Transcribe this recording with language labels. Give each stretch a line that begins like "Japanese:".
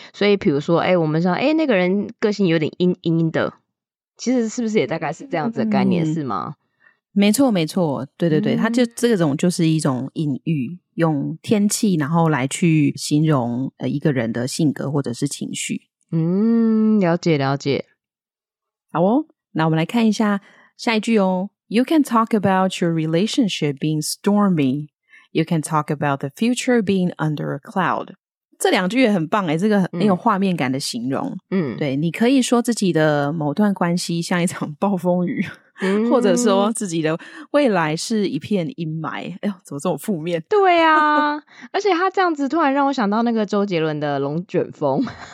Chinese: 所以比如说我们说那个人个性有点阴阴的，其实是不是也大概是这样子的概念，是吗？没错没错，对对对，它就这种就是一种隐喻，用天气然后来去形容一个人的性格或者是情绪。了解了解。好哦，那我们来看一下下一句哦。
English: You can talk about your relationship being stormy. You can talk about the future being under a cloud.
Chinese: 这两句也很棒耶，这个很有画面感的形容。对，你可以说自己的某段关系像一场暴风雨。或者说自己的未来是一片阴霾。哎呦，怎么这么负面？对啊，而且他这样子突然让我想到那个周杰伦的龙卷风。